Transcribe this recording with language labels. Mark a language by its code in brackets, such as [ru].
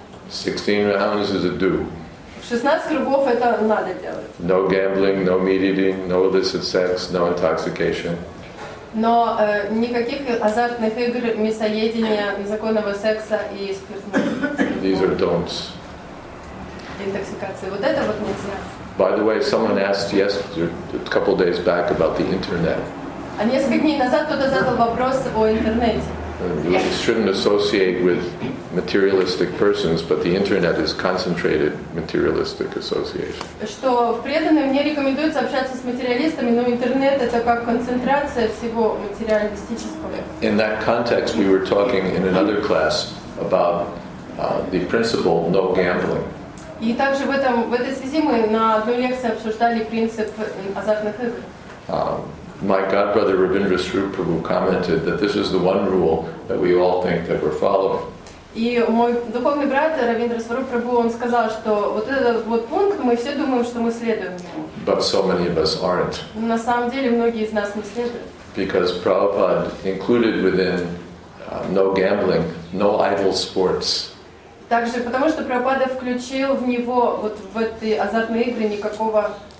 [en] 16 rounds is a do. [ru] 16 кругов это надо делать. [en] No gambling, no meat eating, no illicit sex, no intoxication. [ru] Но никаких азартных игр, мясоедения, незаконного секса и спиртного. [en] These are don'ts. [ru] Интоксикация. Вот это вот нельзя. [en] By the way, someone asked yesterday, a couple of days back, about the internet. [ru] А несколько дней назад кто-то задал вопрос о интернете. [en] We shouldn't associate with materialistic persons, but the internet is concentrated materialistic association. [ru] Что преданным не рекомендуется общаться с материалистами, но интернет это как концентрация всего материалистического. [en] In that context, we were talking in another class about the principle no gambling. [ru] И также в этой связи мы на одной лекции обсуждали принцип азартных игр. [en] My godbrother Rabindra Srirup Prabhu commented that this is the one rule that we all think that we're following. [ru] И мой духовный брат Рабиндра Срирупа Прабху он сказал, что вот этот вот пункт мы все думаем, что мы следуем. [en] But so many of us aren't. [ru] На самом деле многие из нас не следуют. [en] Because Prabhupada included within no gambling, no idle sports. [ru] Также потому, что Прабхупада включил в него, вот в эти азартные игры, никакого